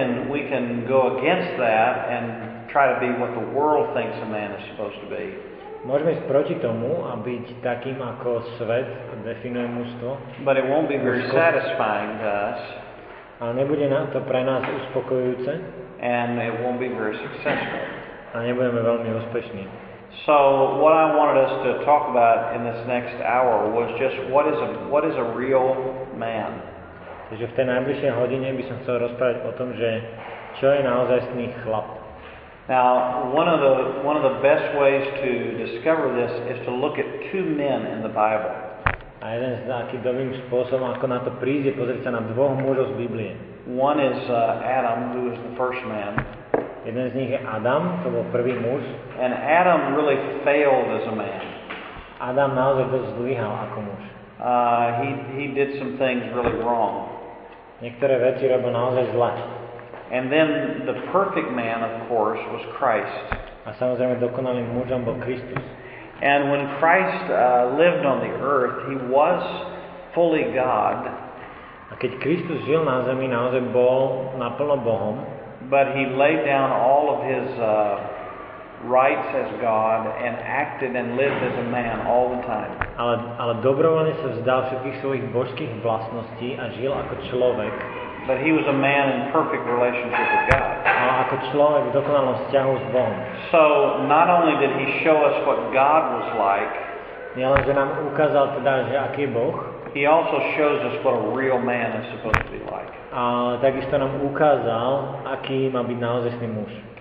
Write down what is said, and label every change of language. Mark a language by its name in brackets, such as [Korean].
[English] We can go against that and try to be what the world thinks a man is supposed to be. [Slovak] Môžeme ísť proti tomu a byť takým, ako svet definuje mužstvo. [English] But it won't be very satisfying to us. [Slovak] A nebude na to pre nás uspokojujúce. [English] And it won't be very successful. [Slovak] A nebudeme veľmi úspešní. [English] So what I wanted us to talk about in this next hour was just what is a real man. [Slovak] Takže v tej najbližšej hodine by som chcel rozprávať o tom, že čo je naozajstný chlap. [English] Now, one of the best ways to discover this is to look at two men in the Bible. [Slovak] A jeden z takých dobrým spôsobom, ako na to prísť, je pozrieť sa na dvoch mužov z Biblie. [English] One is Adam, who is the first man. [Slovak] Jeden z nich je Adam, to bol prvý muž. [English] And Adam really failed as a man. [Slovak] Adam naozaj dosť zlyhal ako muž. [English] He did some things really wrong. [Slovak] Niektoré veci robil naozaj zle. [English] And then the perfect man, of course, was Christ. [Slovak] A samozrejme dokonalým mužom bol Kristus. [English] And when Christ lived on the earth, he was fully God. [Slovak] A keď Kristus žil na zemi, naozaj bol naplno Bohom. [English] But he laid down all of his rights as God and acted and lived as a man all the time. [Slovak] Ale dobrovoľne sa vzdal všetkých svojich božských vlastností a žil ako človek. [English] But he was a man in perfect relationship with God. [Slovak] A ako človek v dokonalom vzťahu s Bohom. [English] So not only did he show us what God was like, [Slovak] nielenže nám ukázal teda, že aký Boh, [English] he also shows us what a real man is supposed to be like. [Slovak] A takisto nám ukázal, aký má byť naozajstný muž.